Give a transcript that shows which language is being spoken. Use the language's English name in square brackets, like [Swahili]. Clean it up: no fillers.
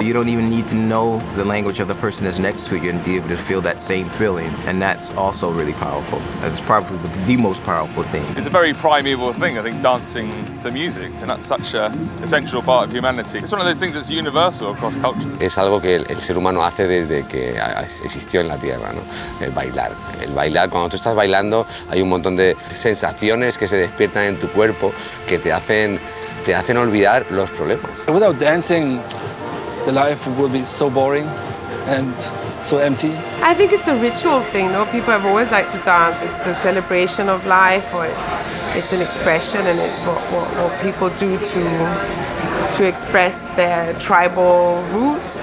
[English] You don't even need to know the language of the person that's next to you and be able to feel that same feeling. And that's also really powerful. It's probably the most powerful thing. It's a very primeval thing, I think, dancing to music. And that's such an essential part of humanity. It's one of those things that's universal across cultures. [Spanish] Es algo que el ser humano hace desde que existió en la Tierra, ¿no? El bailar. El bailar, cuando tú estás bailando, hay un montón de sensaciones que se despiertan en tu cuerpo que te hacen olvidar los problemas. [English] Without dancing, the life would be so boring and so empty. I think it's a ritual thing, no? People have always liked to dance. It's a celebration of life, or it's an expression, and it's what people do to express their tribal roots.